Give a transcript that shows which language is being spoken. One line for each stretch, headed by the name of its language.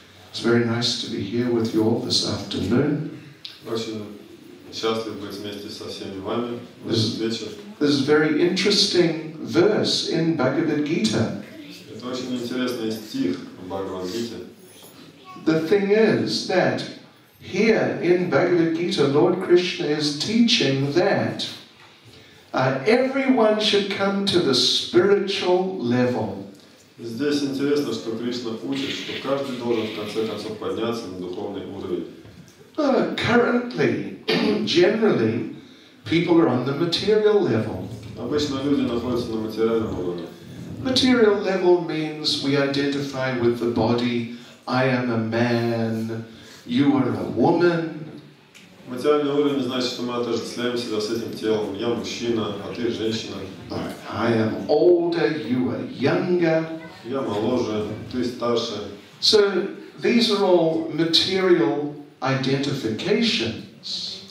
English: It's very nice to be here with you all this afternoon.
Russian: Очень счастлив быть вместе со всеми вами в этот вечер.
English: This is a very interesting verse in Bhagavad Gita.
Russian: Это очень интересный стих в Бхагавад Гите.
English: The thing is that here in Bhagavad Gita, Lord Krishna is teaching that everyone should come to the spiritual level.
Russian: Здесь интересно, что Кришна учит, что каждый должен в конце концов подняться на духовный уровень.
English: Currently, generally, people are on the material level.
Russian: Обычно люди находятся на материальном уровне.
English: Material level means we identify with the body. I am a man. You are a woman.
Russian: Материальный уровень значит, что мы отождествляем себя с этим телом. Я мужчина, а ты женщина.
English: I am older. You are younger.
Russian: Я моложе, ты старше.
English: So these are all material identifications.